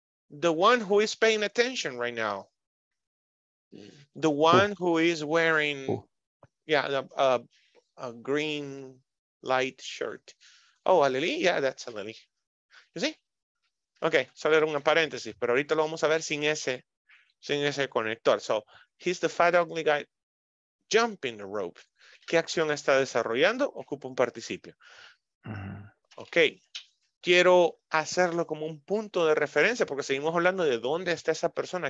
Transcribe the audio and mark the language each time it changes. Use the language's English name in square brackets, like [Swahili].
[English] The one who is paying attention right now. The one who is wearing, a green light shirt. Oh, Aleli, yeah, that's Aleli. You see? [Spanish] Okay, solo era una paréntesis, pero ahorita lo vamos a ver sin ese conector. [English] So, he's the fat ugly guy jumping the rope. [Spanish] ¿Qué acción está desarrollando? Ocupa un participio. Okay. Quiero hacerlo como un punto de referencia porque seguimos hablando de dónde está esa persona.